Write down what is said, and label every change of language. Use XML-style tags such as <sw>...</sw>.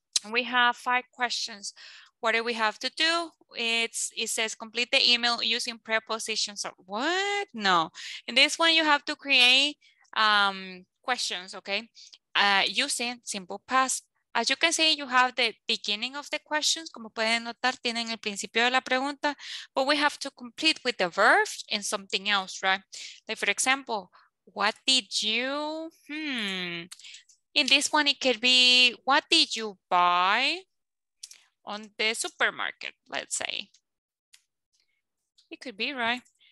<en>We have 5 questions. What do we have to do? It says complete the email using prepositions. What? No. In this one, you have to create questions, okay? Using simple past. As you can see, you have the beginning of the questions.</en> <es>Como pueden notar, tienen el principio de la pregunta.</es> <en>But we have to complete with the verb and something else, right? Like for example, what did you, in this one, it could be, what did you buy on the supermarket, let's say. It could be, right?</en>